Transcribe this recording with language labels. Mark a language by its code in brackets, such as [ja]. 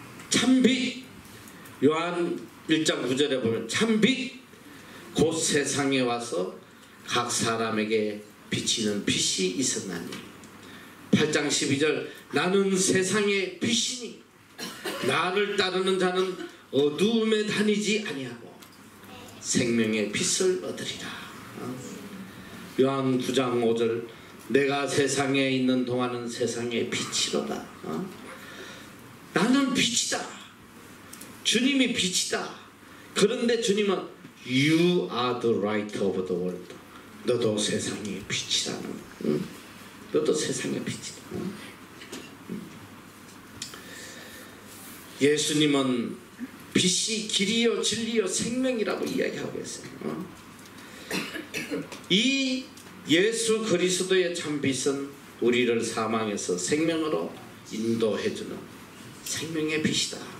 [ko] 참빛, 요한 1장 9절에 보면 참빛 곧 세상에 와서 각 사람에게 비치는 빛이 있었나니, 8장 12절 나는 세상의 빛이니 나를 따르는 자는 어두움에 다니지 아니하고 생명의 빛을 얻으리라. 요한 9장 5절 내가 세상에 있는 동안은 세상의 빛이로다. 나는 빛이다. 주님이 빛이다. 그런데 주님은 [en] You are the light of the world. [ko] 너도 세상의 빛이라는 거야. 너도 세상의 빛이다. 예수님은 빛이 길이요 진리요 생명이라고 이야기하고 있어요. 이 예수 그리스도의 참빛은 우리를 사망에서 생명으로 인도해주는 생명의 빛이다.